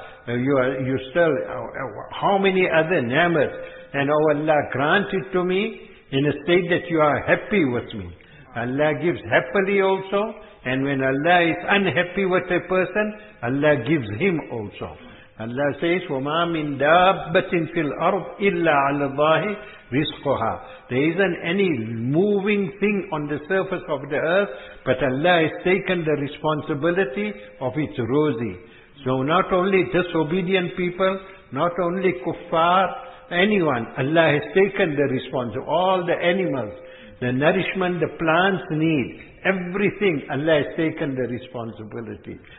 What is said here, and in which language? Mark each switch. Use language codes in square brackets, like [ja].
[en] You still, how many other namas, and O Allah, grant it to me in a state that you are happy with me. Allah gives happily also, and when Allah is unhappy with a person, Allah gives him also. Allah says, [ar] وَمَا مِنْ دَابَّةٍ فِي الْأَرْضِ إِلَّا عَلَى اللَّهِ رِزْقُهَا. [en] There isn't any moving thing on the surface of the earth, but Allah has taken the responsibility of its rosy. So not only disobedient people, not only kuffar, anyone, Allah has taken the responsibility, all the animals, the nourishment the plants need, everything Allah has taken the responsibility.